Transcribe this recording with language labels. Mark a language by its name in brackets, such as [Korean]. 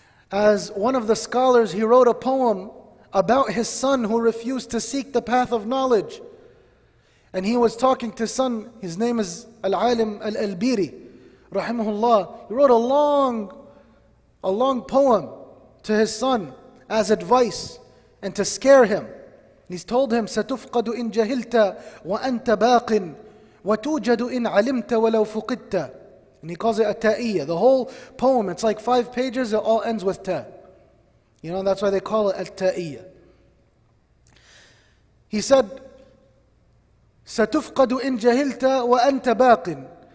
[English] As one of the scholars, he wrote a poem about his son who refused to seek the path of knowledge. And he was talking to son, his name is Al-Alim Al-Albiri, rahimahullah. He wrote a long poem to his son as advice and to scare him. He's told him, [Arabic] سَتُفْقَدُ إِن جَهِلْتَ وَأَنْتَ بَاقٍ وَتُوجَدُ إِن عَلِمْتَ وَلَوْ فُقِدْتَ. [English] And he calls it a ta'iyya. The whole poem, it's like 5 pages, it all ends with ta. You know, that's why they call it a ta'iyya. He said, [Arabic] سَتُفْقَدُ إِن جَهِلْتَ وَأَنْتَ بَاقٍ.